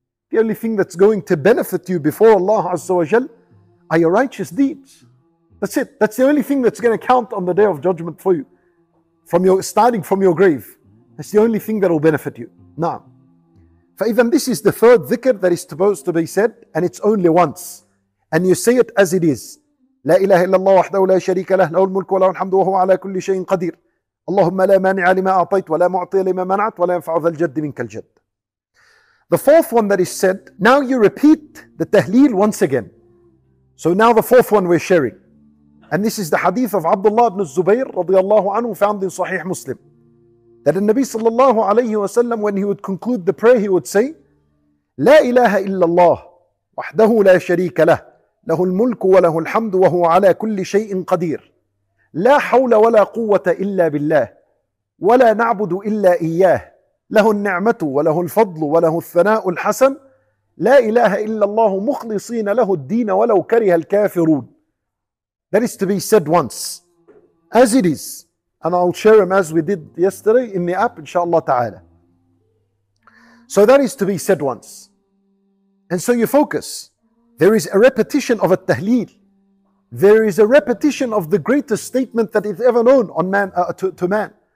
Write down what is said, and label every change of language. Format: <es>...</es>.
<en>The only thing that's going to benefit you before Allah Azza wa Jal are your righteous deeds. That's it. That's the only thing that's going to count on the day of judgment for you. Starting from your grave. That's the only thing that will benefit you. Naam. فإذن this is the third dhikr that is supposed to be said and it's only once. And you say it as it is.</en> <ar>لا إله إلا الله وحده لا شريك له له الملك وله الحمد وهو على كل شيء قدير. اللهم لا مانع لما أعطيت ولا معطي لما منعت ولا ينفع ذا الجد منك الجد.</ar> <en>The fourth one that is said, now you repeat the tahleel once again. So now the fourth one we're sharing. And this is the hadith of Abdullah ibn Zubayr</en> <ar>رضي الله عنه</ar> <en>found in Sahih Muslim. That</en> <ar>النبي صلى الله عليه وسلم,</ar> <en>when he would conclude the prayer, he would say,</en> <ar>لا إله إلا الله وحده لا شريك له له الملك وله الحمد وهو على كل شيء قدير. لا حول ولا قوة إلا بالله، ولا نعبد إلا إياه، له النعمة وله الفضل وله الثناء الحسن، لا إله إلا الله، مخلصين له الدين ولو كره الكافرون.</ar> <en>That is to be said once, as it is. And I'll share them as we did yesterday in the app, inshallah ta'ala. So that is to be said once. And so you focus. There is a repetition of a tahleel. There is a repetition of the greatest statement that is ever known on man to man.</en>